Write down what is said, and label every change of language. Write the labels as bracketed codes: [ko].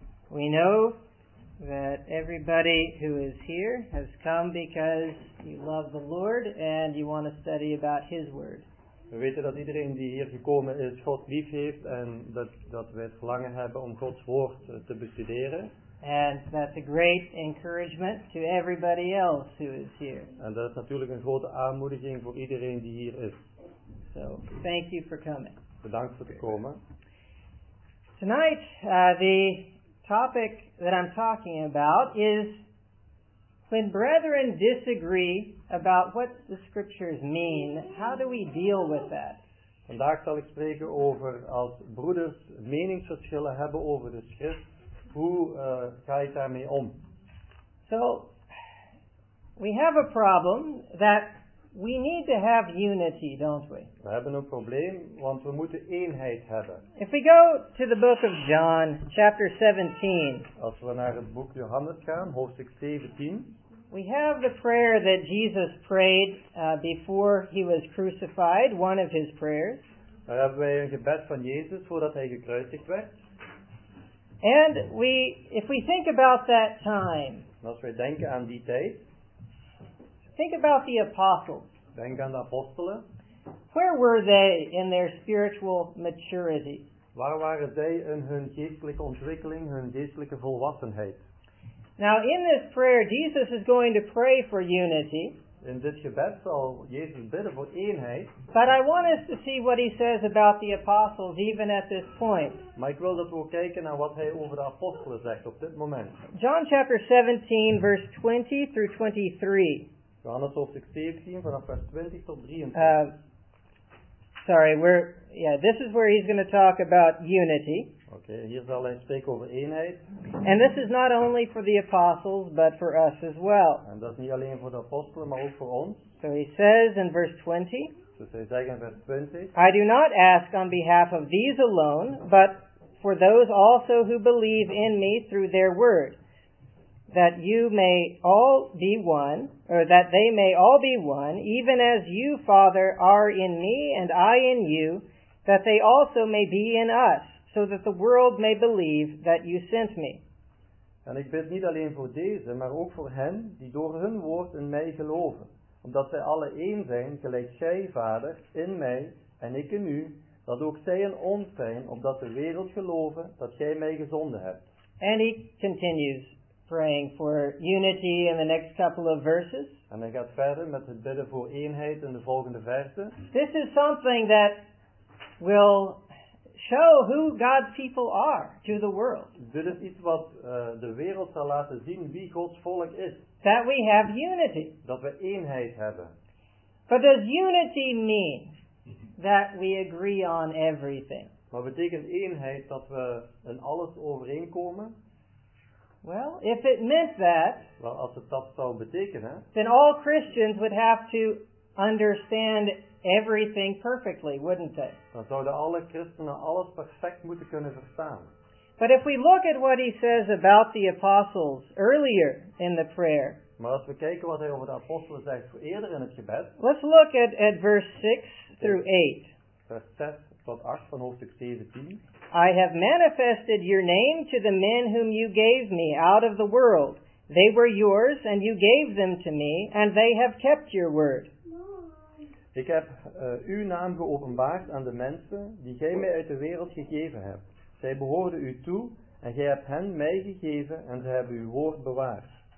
[en] We know that everybody who is here has come because you love the Lord and you want to study about His Word. [nl] We weten dat iedereen die hier gekomen is God lief heeft en dat we het verlangen hebben om Gods woord te bestuderen. [en] And that's a great encouragement to everybody else who is here. [nl] En dat is natuurlijk een grote aanmoediging voor iedereen die hier is. [en] So, thank you for coming. [nl] Bedankt voor te komen. [en] Tonight, the topic that I'm talking about is when brethren disagree about what the scriptures mean, how do we deal with that? [nl] Vandaag zal ik spreken over als broeders meningsverschillen hebben over de schrift. Hoe ga je daarmee om? [en] So, we have a problem that we need to have unity, don't we? [nl] We hebben een probleem, want we moeten eenheid hebben. [en] If we go to the book of John, chapter 17. [nl] Als we naar het boek Johannes gaan, hoofdstuk 17. [en] We have the prayer that Jesus prayed before he was crucified, one of his prayers. [nl] Daar hebben wij een gebed van Jezus voordat hij gekruisigd werd. [en] And if we think about that time, [nl] als we denken aan die tijd, [en] think about the apostles. [nl] Denk aan de apostelen. [en] Where were they in their spiritual maturity? [nl] Waar waren zij in hun geestelijke ontwikkeling, hun geestelijke volwassenheid? [en] Now in this prayer, Jesus is going to pray for unity. [nl] In dit gebed zal Jezus bidden voor eenheid. [en] But I want us to see what he says about the apostles even at this point. [nl] Maar ik wil dat we kijken naar wat hij over de apostelen zegt op dit moment. [en] John chapter 17 verse 20 through 23. [nl] Johannes hoofdstuk 17 vanaf vers 20 tot 23. [en] This is where he's going to talk about unity. [nl] Okay, hier zal hij spreken over eenheid. [en] And this is not only for the apostles, but for us as well. [nl] En dat is niet alleen voor de apostelen, maar ook voor ons. [en] So he says in verse 20. [nl] Dus hij zegt in vers 20. [en] I do not ask on behalf of these alone, but for those also who believe in me through their word, that you may all be one, or that they may all be one, even as you, Father, are in me and I in you, that they also may be in us, so that the world may believe that you sent me. [nl] En ik bid niet alleen voor deze, maar ook voor hen die door hun woord in mij geloven, omdat zij alle één zijn, gelijk jij, Vader, in mij en ik in u, dat ook zij in ons zijn, opdat de wereld geloven dat jij mij gezonden hebt. [en] En he continues praying for unity in the next couple of verses. [nl] En hij gaat verder met het bidden voor eenheid in de volgende verse. [en] This is something that will show who God's people are to the world. [nl] Dit is iets wat de wereld zal laten zien wie Gods volk is. [en] That we have unity. [nl] Dat we eenheid hebben. [en] But does unity mean that we agree on everything? [nl] Maar betekent eenheid dat we in alles overeenkomen? [en] Well, if it meant that, [nl] well, als het dat zou betekenen, [en] then all Christians would have to understand everything perfectly, wouldn't they? [nl] Dan zouden alle christenen alles perfect moeten kunnen verstaan. [en] But if we look at what he says about the apostles earlier in the prayer, [nl] maar als we kijken wat hij over de apostelen zegt voor eerder in het gebed, [en] let's look at verse 6 through 8. [nl] Vers 6 tot 8 van hoofdstuk 17. [en] I have manifested your name to the men whom you gave me out of the world. They were yours, and you gave them to me, and they have kept your word. [nl] Ik heb uw naam geopenbaard aan de mensen die gij mij uit de wereld gegeven hebt. Zij behoorden u toe, en gij hebt hen mij gegeven, en ze hebben uw woord bewaard.